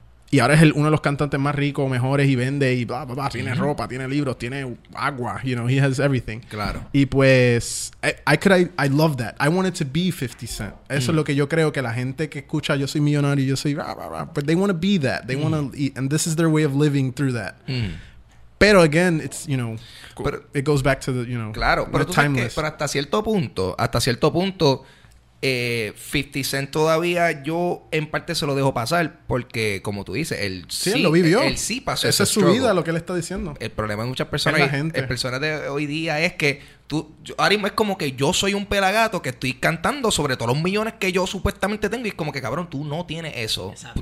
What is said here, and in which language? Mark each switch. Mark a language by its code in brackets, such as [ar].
[es] Y ahora es uno de los cantantes más ricos, mejores, y vende, y bla, bla, bla. Tiene mm-hmm. ropa, tiene libros, tiene agua. [en] You know, he has everything. [es] Claro. Y pues, [en] I love that. I wanted to be 50 Cent. [es] Eso es lo que yo creo que la gente que escucha, yo soy millonario, yo soy blah, blah, blah. [en] But they want to be that. They want to, and this is their way of living through that. Pero, again, it's, you know, pero, it goes back to the, you know, [es] claro, [en] the [es] pero tú timeless. Sabes que, pero hasta cierto punto, 50 Cent todavía yo en parte se lo dejo pasar porque como tú dices él sí lo vivió él sí pasó esa es su vida lo que él está diciendo el problema de muchas personas personas de hoy día es que ahora mismo es como que yo soy un pelagato que estoy cantando sobre todos los millones que yo supuestamente tengo y es como que cabrón tú no tienes eso. Exacto.